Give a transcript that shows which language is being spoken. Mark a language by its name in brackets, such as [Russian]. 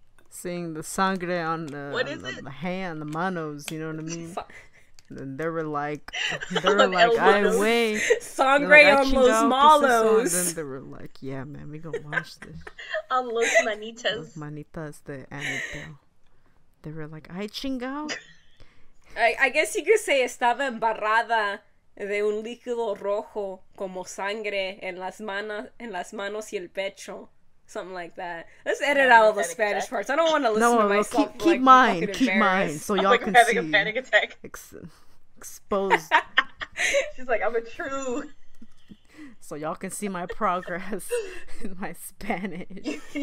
[English] Seeing the [Spanish] sangre [English] on the, what is on the hand, the [Spanish] manos, [English] you know what I mean? And then they were like, I win. [Spanish] Sangre [English] like, on [Spanish] los malos. [English] And then they were like, yeah, man, we gonna watch this. On [Spanish] los manitas. Los manitas de Annabelle. [English] They were like, [Spanish] ay, chingao. [English] I guess you could say [Spanish] estaba embarrada de un líquido rojo como sangre en las manos y el pecho. [English] Something like that. Let's edit out all the Spanish parts. I don't want to listen to myself. Keep mine. So y'all can see. I'm having a panic attack. Exposed. She's like, I'm a true. So y'all can see my progress in my Spanish.